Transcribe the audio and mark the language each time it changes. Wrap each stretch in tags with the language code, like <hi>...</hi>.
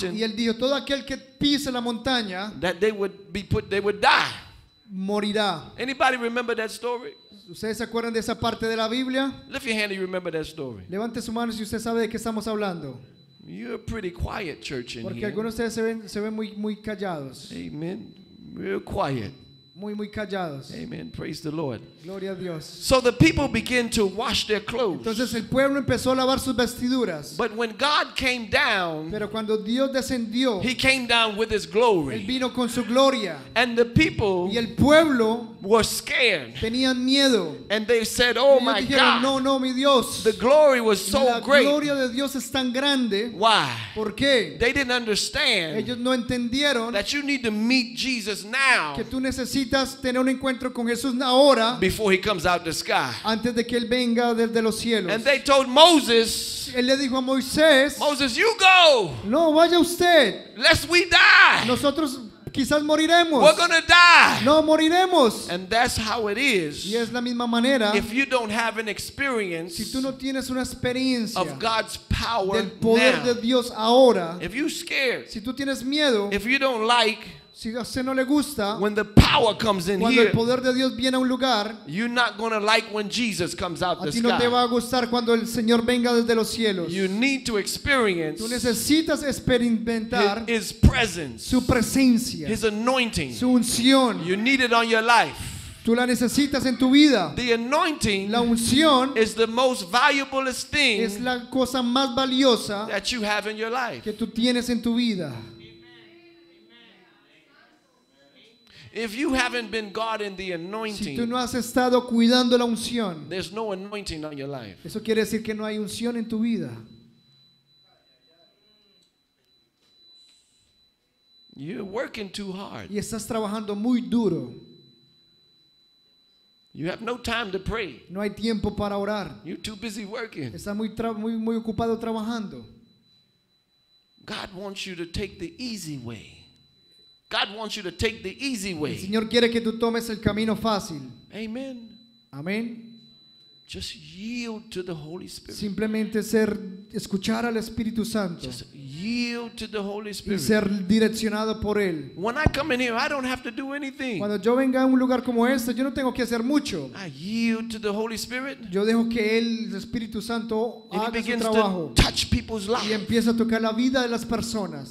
<es>y él dijo, todo aquel que pise la montaña,</es> <en>that they would be put, they would die.</en> <es>Morirá.</es> <en>Anybody remember that story?</en> <es>¿Ustedes se acuerdan de esa parte de la Biblia?</es> <en>Lift your hand if you remember that story.</en> <es>Levante su mano si usted sabe de qué estamos hablando.</es> <en>You're a pretty quiet church in</en> <es>porque</es> <en>here.</en> <es>Algunos de ustedes se ven muy, muy callados.</es> <en>Amen. Real quiet.</en> <es>Muy, muy callados.</es> <en>Amen. Praise the Lord.</en> <es>Gloria a Dios.</es> <en>So the people began to wash their clothes.</en> <es>Entonces el pueblo empezó a lavar sus vestiduras.</es> <en>But when God came down,</en> <es>pero cuando Dios descendió,</es> <en>he came down with his glory.</en> <es>Él vino con su gloria.</es> <en>And the people,</en> <es>y el pueblo,</es> <en>were scared.</en> <es>Tenían miedo.</es> <en>And they said, oh my</en> <es>dijeron,</es> <en>God.</en> <es>No, no, mi Dios.</es> <en>The glory was so great.</en> <es>La gloria de Dios es tan grande.</es> <en>Why?</en> <es>¿Por qué?</es> <en>They didn't understand.</en> <es>Ellos no entendieron.</es> <en>That you need to meet Jesus now.</en> <es>Que tú necesitas tener un encuentro con Jesús ahora,</es> <en>before he comes out the sky,</en> <es>antes de que él venga desde los cielos.</es> <en>And they told Moses,</en> <es>él le dijo a Moisés,</es> <en>Moses, you go,</en> <es>no vaya usted,</es> <en>lest we die,</en> <es>nosotros quizás moriremos,</es> <en>we're gonna die,</en> <es>no moriremos.</es> <en>And that's how it is,</en> <es>y es la misma manera,</es> <en>if you don't have an experience,</en> <es>si tú no tienes una experiencia</es> <en>of God's power,</en> <es>del poder</es> <en>now,</en> <es>de Dios ahora,</es> <en>if you're scared,</en> <es>si tú tienes miedo,</es> <en>if you don't like,</en> <es>si a usted no le gusta,</es> <en>when the power comes in</en> <es>cuando</es> <en>here,</en> <es>el poder de Dios viene a un lugar,</es> <en>you're not going to like when Jesus comes out the sky.</en> <es>A ti no te va a gustar cuando el Señor venga desde los cielos.</es> <en>You need to experience,</en> <es>tú necesitas experimentar</es> <en>his presence,</en> <es>su presencia,</es> <en>his anointing,</en> <es>su unción.</es> <en>You need it on your life.</en> <es>Tú la necesitas en tu vida.</es> <en>The anointing,</en> <es>la unción,</es> <en>is the most valuable thing,</en> <es>es la cosa más valiosa</es> <en>that you have in your life,</en> <es>que tú tienes en tu vida.</es> <en>If you haven't been guarding the anointing,</en> <es>si tú no has estado cuidando la unción,</es> <en>there's no anointing on your life.</en> <es>Eso quiere decir que no hay unción en tu vida.</es> <en>You're working too hard.</en> <es>Y estás trabajando muy duro.</es> <en>You have no time to pray.</en> <es>No hay tiempo para orar.</es> <en>You're too busy working.</en> <es>Estás muy ocupado trabajando.</es> <en>God wants you to take the easy way. God wants you to take the easy way.</en> <es>El Señor quiere que tú tomes el camino fácil.</es> <en>Amen.</en> <es>Amen.</es> <en>Just yield to the Holy Spirit.</en> <es>Simplemente ser escuchar al Espíritu Santo.</es> <en>Just yield to the Holy Spirit.</en> <es>Y ser direccionado por él.</es> <en>When I come in here, I don't have to do anything.</en> <es>Cuando yo venga a un lugar como este, yo no tengo que hacer mucho.</es> <en>I yield to the Holy Spirit.</en> <es>Yo dejo que él, el Espíritu Santo, haga su trabajo.</es> <en>To touch people's lives.</en> <es>Y empieza a tocar la vida de las personas.</es>